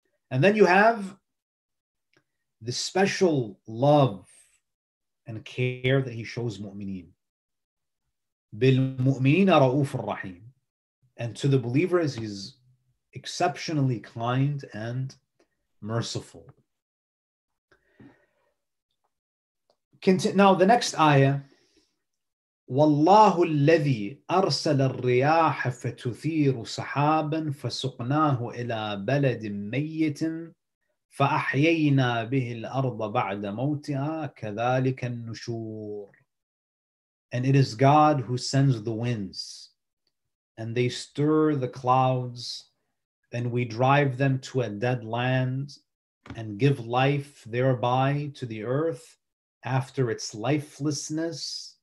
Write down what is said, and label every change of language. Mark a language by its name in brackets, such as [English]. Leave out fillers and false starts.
[English] And then you have the special love and care that he shows mu'mineen. [Arabic] بِالْمُؤْمِنِينَ رَؤُوفُ الرَّحِيمُ. [English] And to the believers, he's exceptionally kind and merciful. Now the next ayah, [Arabic] وَاللَّهُ الَّذِي أَرْسَلَ الرِّيَاحَ فَتُثِيرُ سَحَابًا فَسُقْنَاهُ إِلَىٰ بَلَدٍ مَيِّتٍ فَأَحْيَيْنَا بِهِ الْأَرْضَ بَعْدَ مَوْتِهَا كَذَلِكَ النُّشُورُ. [English] And it is God who sends the winds, and they stir the clouds, and we drive them to a dead land, and give life thereby to the earth after its lifelessness.